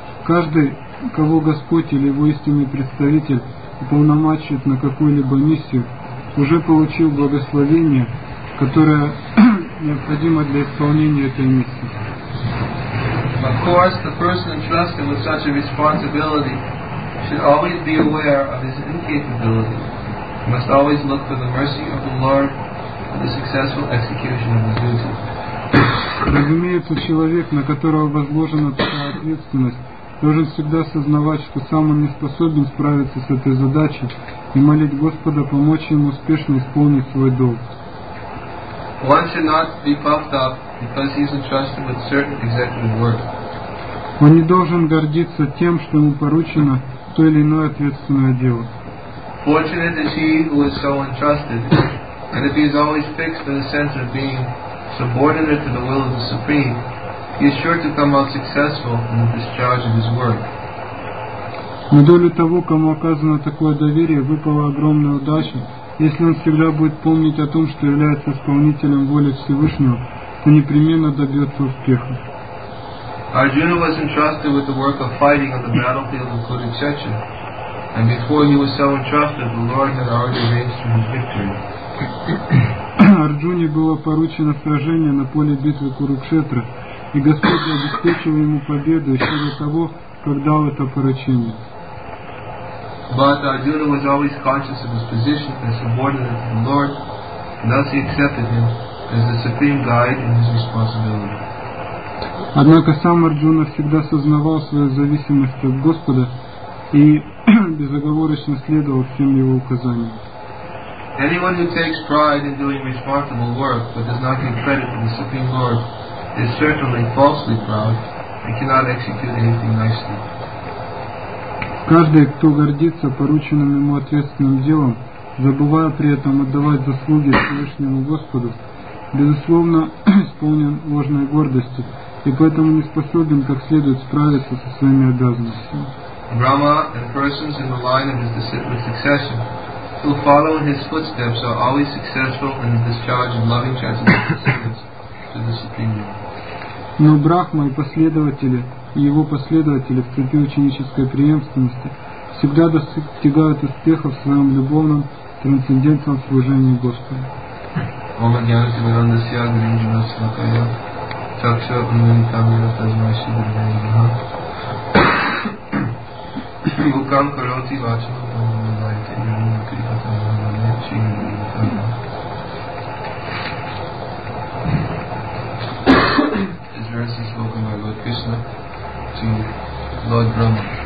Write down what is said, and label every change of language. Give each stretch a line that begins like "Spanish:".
Russian: Каждый, кого Господь или его истинный представитель уполномочит на какую-либо миссию, уже получил благословение, которое необходимо для исполнения этой миссии.
English: Of course, the person entrusted with such a responsibility should always be aware of his incapability, must always look for the mercy of the Lord the successful execution of the duty.
Russian: Разумеется, человек, на которого возложена такая ответственность, должен всегда сознавать, что сам он не способен справиться с этой задачей и молить Господа помочь ему успешно исполнить свой долг.
English: One should not be puffed up because he is entrusted with certain executive work.
Russian: Он не должен гордиться тем, что ему поручено то или иное ответственное дело.
English: Fortunate is he who is so entrusted, and if he is always fixed in the center of being subordinate to the will of the Supreme, he is sure to come out successful in the discharge of his work.
Russian: На долю того, кому оказано такое доверие, выпала огромная удача. Если он всегда будет помнить о том, что является исполнителем воли Всевышнего, то непременно добьется успеха.
English: Arjuna was entrusted with the work of fighting on the battlefield of Kurukshetra, and before he was so entrusted, the Lord had already arranged for his victory.
Russian: Арджуне было поручено сражение на поле битвы Курукшетра, и Господь обеспечил ему победу еще до того, как дал это поручение.
English: But Arjuna was always conscious of his position as subordinate to the Lord, and thus he accepted him as the supreme guide in his responsibility.
Russian: Однако сам Арджуна всегда сознавал свою зависимость от Господа и безоговорочно следовал всем его указаниям.
English: Anyone who takes pride in doing responsible work but does not give credit to the Supreme Lord is certainly falsely proud and cannot execute anything nicely.
Russian: Каждый, кто гордится порученным ему ответственным делом, забывая при этом отдавать заслуги Всевышнему Господу, безусловно исполнен ложной гордости и поэтому не способен как следует справиться со своими обязанностями.
English: Brahma and persons in the line of his disciplic succession who follow in his footsteps are always successful in the discharge of loving charity to the Supreme Lord.
Russian: Но Брахма и последователи его последователи в цепи ученической преемственности всегда достигают успеха в своем любовном трансцендентном служении Господу. Ом агьянати ванандасья гринджана слакая чакша унвинтамира тазмаши дырдайгаха Гукам короти вачам панамадайте ирина крихатам ванамадайте чин гринджана.
English: This verse is spoken by Lord Krishna to Lord Brahma.